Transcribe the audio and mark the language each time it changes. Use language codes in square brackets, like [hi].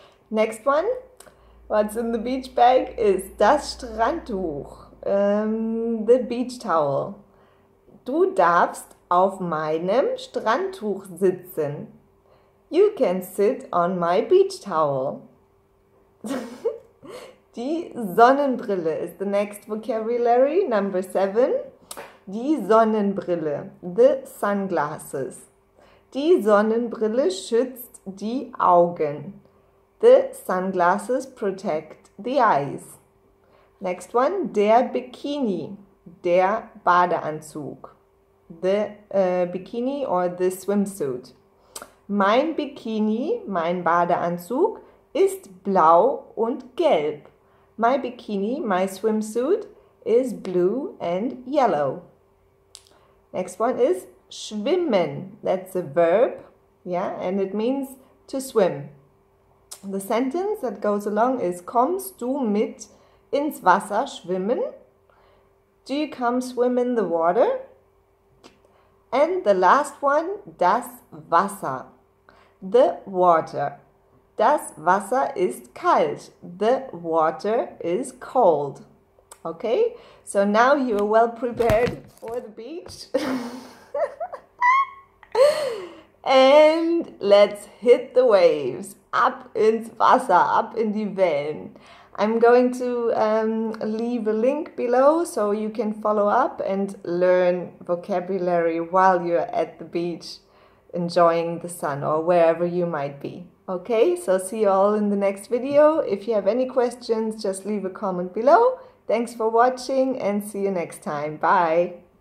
[en] Next one, what's in the beach bag is das Strandtuch, the beach towel. [de] Du darfst auf meinem Strandtuch sitzen. [en] You can sit on my beach towel. Die Sonnenbrille is the next vocabulary, number 7. Die Sonnenbrille, the sunglasses. [de] Die Sonnenbrille schützt die Augen. [en] The sunglasses protect the eyes. Next one, der Bikini, der Badeanzug. The bikini or the swimsuit. [de] Mein Bikini, mein Badeanzug, ist blau und gelb. [en] My bikini, my swimsuit, is blue and yellow. Next one is schwimmen. That's a verb, yeah, and it means to swim. The sentence that goes along is kommst du mit ins Wasser schwimmen? Do you come swim in the water? And the last one, das Wasser. The water. [de] Das Wasser ist kalt. The water is cold. [en] Okay, so now you are well prepared for the beach. And let's hit the waves. [de] Ab ins Wasser, ab in die Wellen. [en] I'm going to leave a link below so you can follow up and learn vocabulary while you're at the beach enjoying the sun or wherever you might be. Okay, so see you all in the next video. If you have any questions, just leave a comment below. Thanks for watching and see you next time. Bye!